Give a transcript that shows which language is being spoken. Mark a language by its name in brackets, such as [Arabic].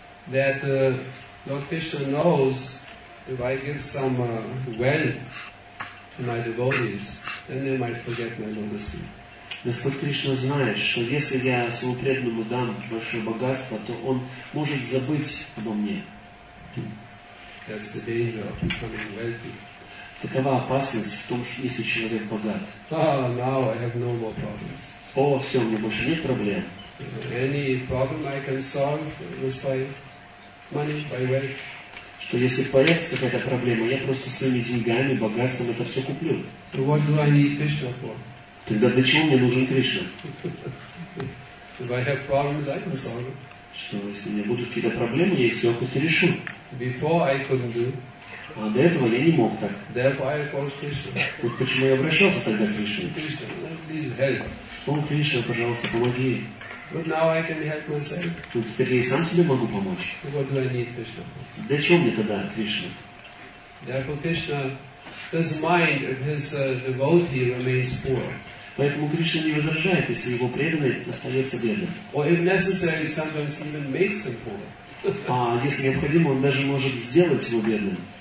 [English] That Lord Krishna knows if I give some wealth to my devotees, then they might forget my modesty. [Russian] Господь Кришна знает, что если я своему преданному дам большое богатство, то он может забыть обо мне. [English] That's the danger of becoming wealthy. [Russian] Такова опасность в том, что если человек богат. [English] Oh, now I have no more problems. [Russian] О, все, у меня больше нет проблем. [English] Any problem I can solve with my money, by wealth. [Russian] Что если появится какая-то проблема, я просто своими деньгами, богатством это все куплю. [English] So what do I need Krishna for? [Russian] Тогда для чего мне нужен Кришна? [English] If I have problems, I can solve it. [Russian] Что если у меня будут какие-то проблемы, я их все как-то решу. [English] Before I couldn't do. [Russian] А до этого я не мог так. [English] Therefore I approached Krishna. [Russian] Вот почему я обращался тогда к Кришне. [English] Krishna, please help. [Russian] О, Кришна, пожалуйста, помоги. [English] But now I can help myself. [Russian] Ну, теперь я сам себе могу помочь. [English] What do I need Krishna for? [Russian] Для чего мне тогда Кришна? [English] Therefore Krishna doesn't mind if his devotee remains poor. [Russian] Поэтому Кришна не возражает, если его преданный остается бедным. [English] Or if necessary, sometimes even makes him poor. [Russian] А если необходимо, он даже может сделать его бедным.